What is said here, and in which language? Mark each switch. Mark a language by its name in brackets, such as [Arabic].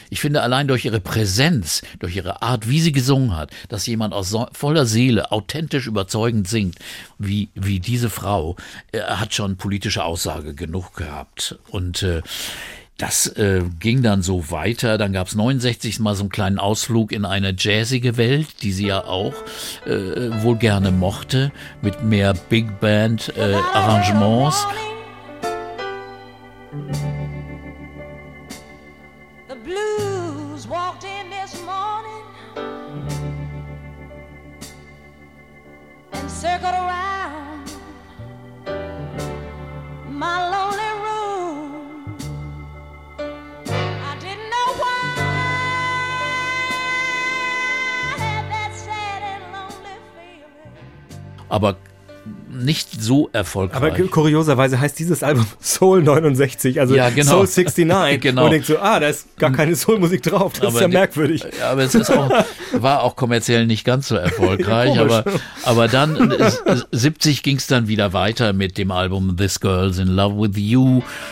[German] Ich finde, allein durch ihre Präsenz, durch ihre Art, wie sie gesungen hat, dass jemand aus voller Seele authentisch überzeugend singt, wie diese Frau, hat schon politische Aussage genug gehabt. Und das ging dann so weiter. Dann gab es 69 mal so einen kleinen Ausflug in eine jazzige Welt, die sie ja auch wohl gerne mochte, mit mehr Big Band Arrangements. [English] The blues walked in this morning and circled around my lonely room. I didn't know why I had that sad and lonely feeling. [German] Aber nicht so erfolgreich. Aber kurioserweise heißt dieses Album Soul 69, also ja, genau. Soul 69. Genau. Und denkt so, da ist gar keine Soul-Musik drauf, das aber ist ja merkwürdig. Aber es war auch kommerziell nicht ganz so erfolgreich. Ja, aber dann, 70 ging es dann wieder weiter mit dem Album This Girl's in Love with You.